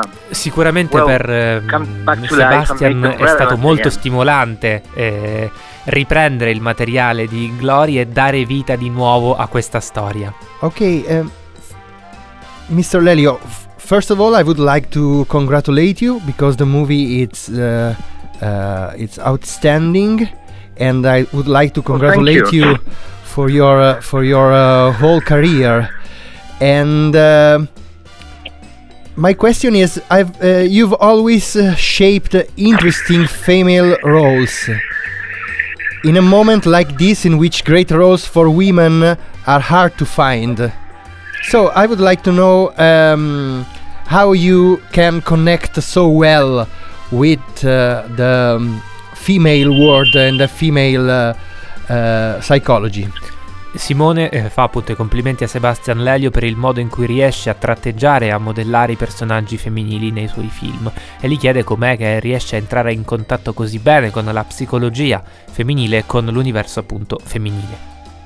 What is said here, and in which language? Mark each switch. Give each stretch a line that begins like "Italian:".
Italian: Sicuramente per Sebastian è stato molto stimolante riprendere il materiale di Gloria e dare vita di nuovo a questa storia.
English: Ok, Mr. Lelio, first of all I would like to congratulate you because the movie it's outstanding and I would like to congratulate you for your whole career and my question is, you've always shaped interesting female roles. In a moment like this, in which great roles for women are hard to find. So I would like to know how you can connect so well with the female world and the female psychology.
Italian: Simone fa appunto i complimenti a Sebastian Lelio per il modo in cui riesce a tratteggiare e a modellare i personaggi femminili nei suoi film e gli chiede com'è che riesce a entrare in contatto così bene con la psicologia femminile e con l'universo appunto femminile.